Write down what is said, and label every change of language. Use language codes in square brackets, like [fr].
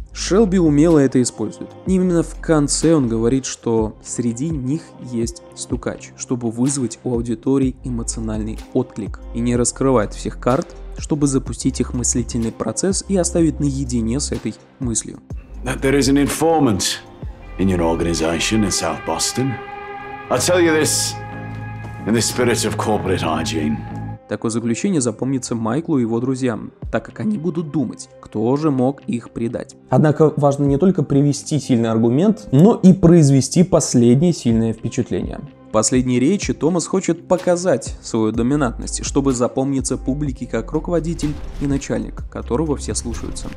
[ru] Шелби умело это использует. Именно в конце он говорит, что среди них есть стукач, чтобы вызвать у аудитории эмоциональный отклик и не раскрывает всех карт, чтобы запустить их мыслительный процесс и оставить наедине с этой мыслью. [en] There is an informant in your organization in South Boston. I tell you this in the spirit of corporate hygiene. [ru] Такое заключение запомнится Майклу и его друзьям, так как они будут думать, кто же мог их предать. Однако важно не только привести сильный аргумент, но и произвести последнее сильное впечатление. В последней речи Томас хочет показать свою доминантность, чтобы запомниться публике как руководитель и начальник, которого все слушаются.